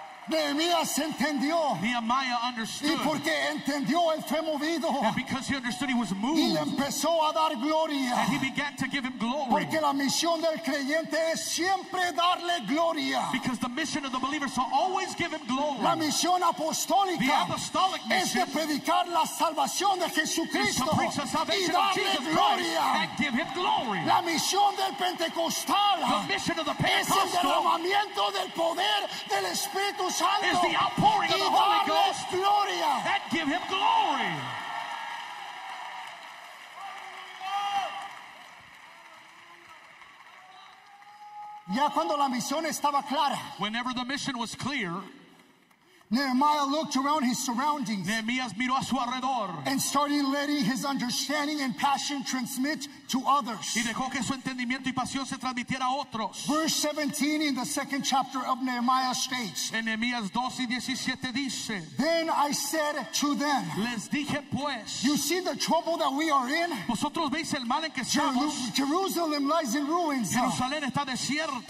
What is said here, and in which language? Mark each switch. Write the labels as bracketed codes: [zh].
[es] Nehemías entendió. [en] Nehemiah understood. [es] Y porque entendió, él fue movido. [en] And because he understood, he was moved. [es] Y empezó a dar gloria. [en] And he began to give him glory. [es] Porque la misión del creyente es siempre darle gloria. [en] Because the mission of the believer is to always give him glory. [es] La misión apostólica, [en] the apostolic mission, [es] es de predicar la salvación de Jesucristo, [en] is to preach the salvation [es] y darle [en] of Jesus [es] gloria. [en] Christ and give him glory. [es] La misión del pentecostal, [en] the mission of the Pentecostal, [es] es el derramamiento del poder del Espíritu Santo, [en] is the outpouring of the Holy Ghost, [es] gloria, [en] and give him glory. [es] Ya cuando la misión estaba clara, [en] whenever the mission was clear, Nehemiah looked around his surroundings, [es] Nehemías miró a su alrededor, [en] and started letting his understanding and passion transmit to others. [es] Y dejó que su entendimiento y pasión se transmitiera a otros. [en] Verse 17 in the second chapter of Nehemiah states, [es] en Nehemías 2:17 dice, [en] then I said to them, [es] les dije pues, [en] you see the trouble that we are in? [es] Vosotros veis el mal en que estamos? [en] Jerusalem lies in ruins, [es] Jerusalén está desierta,